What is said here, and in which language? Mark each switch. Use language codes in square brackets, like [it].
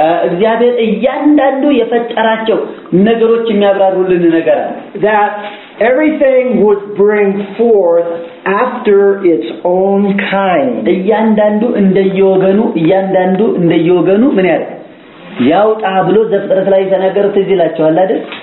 [am] እግዚአብሔር እያንዳንዱ የፈጠራቸው ነገሮች የሚያብራሩልን ነገር [en] that everything would bring forth after its own kind. [am] እያንዳንዱ እንደየወገኑ ምን ያደርግ ያውጣ ብሎ ዘፍጥረት ላይ ተነገረው ትይላቸዋል አይደል?